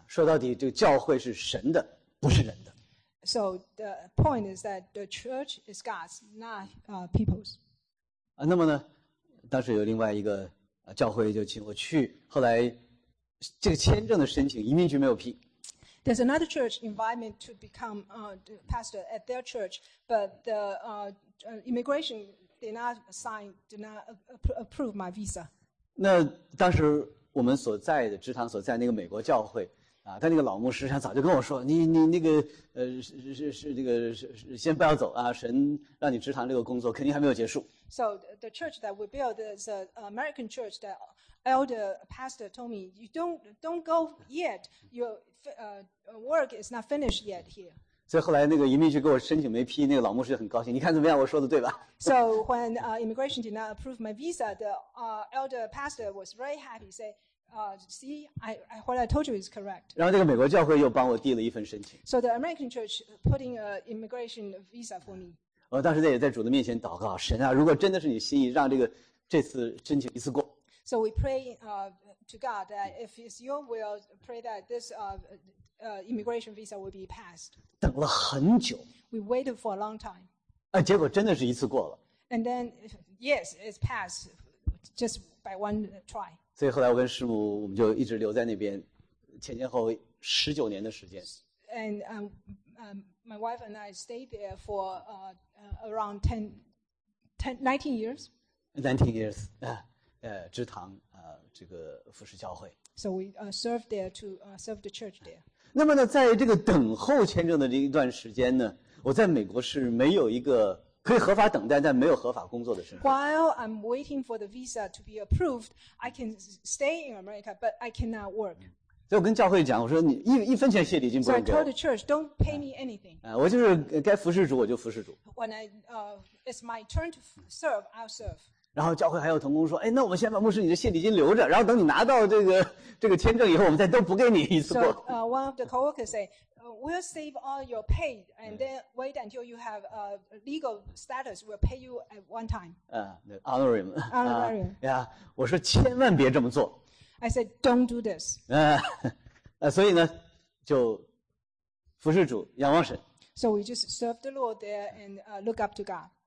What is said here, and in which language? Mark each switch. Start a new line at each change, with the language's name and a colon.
Chinese: 说到底，这个教会是神的，不是人的。
English: So the point is that the church is God's, not people's.
Chinese: 那么呢，当时有另外一个教会就请我去，后来这个签证的申请，移民局没有批。
English: There's another church invite me to become the pastor at their church, but the immigration. did not approve my visa.
Chinese: 那当时我们所在的支堂所在那个美国教会啊，他那个老牧师上早就跟我说，你那个是那个是先不要走啊，神让你支堂这个工作肯定还没有结束。
English: So the church that we built is an American church that elder pastor told me you don't go yet. Your work is not finished yet here.
Chinese: 所以后来那个移民局给我申请没批，那个老牧师很高兴，你看怎么样，我说的对吧？
English: So when immigration did not approve my visa, the elder pastor was very happy, say, see, I what I told you is correct.
Chinese: 然后这个美国教会又帮我递了一份申请。
English: So the American church put in an immigration visa for me.
Chinese: 我当时也在主的面前祷告，神啊，如果真的是你心意，让这次申请一次过。
English: So we pray to God that if it's your will, pray that this immigration visa will be passed.
Chinese: 等了很久。
English: We waited for a long time.
Chinese: 啊，结果真的是一次过了。
English: And then yes, it's passed just by one try.
Chinese: 所以后来我跟师母我们就一直留在那边，前前后十九年的时间。
English: And my wife and I stayed there for around 19 years. 19 years.
Chinese: 支堂这个服侍教会。
English: So we served there to serve the church there.
Chinese: 那么呢，在这个等候签证的这一段时间呢，我在美国是没有一个可以合法等待但没有合法工作的身份。
English: While I'm waiting for the visa to be approved, I can stay in America, but I cannot work.
Chinese: 所以我跟教会讲，我说你一分钱谢礼金不用给我。
English: So I told the church, don't pay me anything.
Chinese: 我就是该服侍主我就服侍主。
English: When it's my turn to serve, I'll serve.
Chinese: 然后教会还有同工说，哎，那我们先把牧师你的谢礼金留着，然后等你拿到这个签证以后，我们再都补给你一次过。
English: So, one of the coworkers say, we'll save all your pay and then wait until you have a legal status. We'll pay you at one time. Honorarium. Honorarium.
Chinese: 呀，我说千万别这么做。
English: I said, don't do this.
Chinese: 所以呢，就服侍主，仰望神。
English: So we just serve the Lord there and look up to God.